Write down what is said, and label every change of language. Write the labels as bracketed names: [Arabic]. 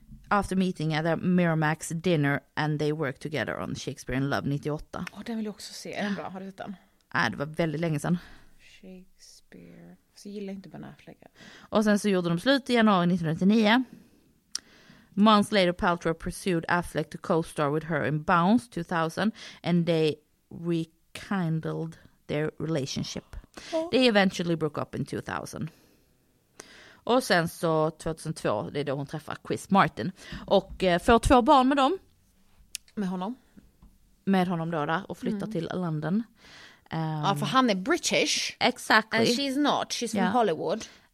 [English] After meeting at a Miramax dinner and they worked together on Shakespeare in Love 98. [Swedish] Åh, den vill jag också se. Är den bra? Har du sett den? Nej, det var väldigt länge sedan. Shakespeare. Så gillar inte Ben Affleck. Och sen så gjorde de slut i januari 1999. [English] Months later Paltrow pursued Affleck to co-star with her in Bounce 2000 and they rekindled their relationship. Oh. They eventually broke up in 2000. [Swedish] Och sen så 2002, det är då hon träffar Chris Martin och får två barn med dem. Med honom. Med honom då där och flyttar till London. Ja, för han är British. [English] Exactly. And she's not, she's from Hollywood.